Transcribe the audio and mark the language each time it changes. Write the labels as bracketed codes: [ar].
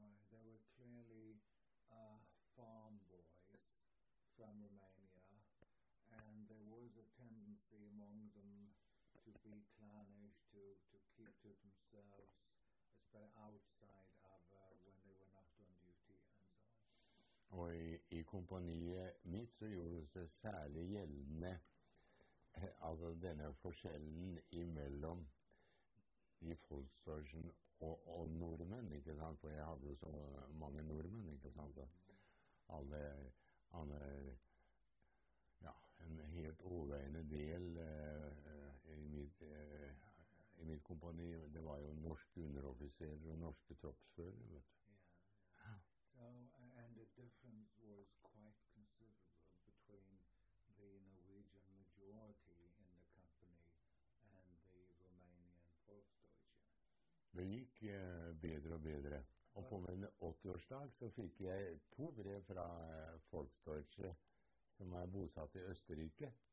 [en] They were clearly farm boys from Romania, and there was a tendency among them to be clannish, to keep to themselves, especially outside of when they were not on duty and so on. [no] Og i kompaniet mitt så gjorde det seg særlig gjeldende, altså denne forskjellen imellom i folkstørrelsen og nordmenn, ikke sant? For jeg hadde så mange nordmenn, ikke sant? Og alle en helt overveiende del i mitt kompani, det var jo norske underoffiserer og norske troppsførere, vet du. [en] So, and the difference was quite considerable between the Norwegian majority in the company and the Romanian Volksdeutsche. [no] Det gikk bedre og bedre. Og på min 80-årsdag så fikk jeg to brev fra Volksdeutsche, som er bosatt i Østerrike.